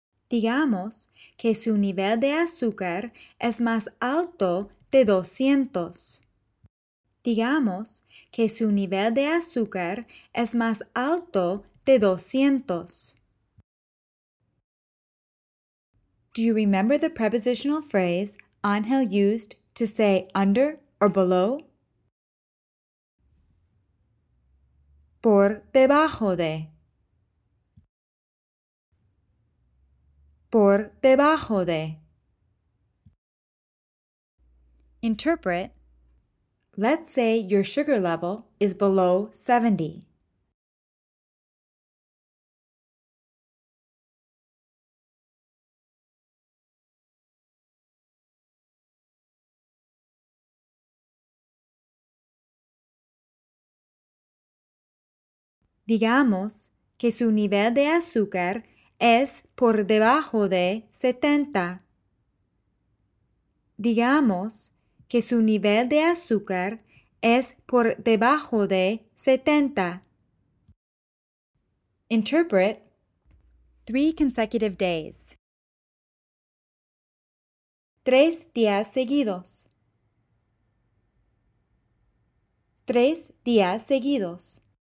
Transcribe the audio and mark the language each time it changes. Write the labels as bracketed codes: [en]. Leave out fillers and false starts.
[es] Digamos que su nivel de azúcar es más alto de 200. Digamos que su nivel de azúcar es más alto de 200. [en] Do you remember the prepositional phrase Ángel used to say under or below? [es] Por debajo de. Por debajo de. [en] Interpret. Let's say your sugar level is below 70. [es] Digamos que su nivel de azúcar es por debajo de 70. Digamos que su nivel de azúcar es por debajo de 70. [en] Interpret 3 consecutive days. [es] 3 días seguidos. 3 días seguidos.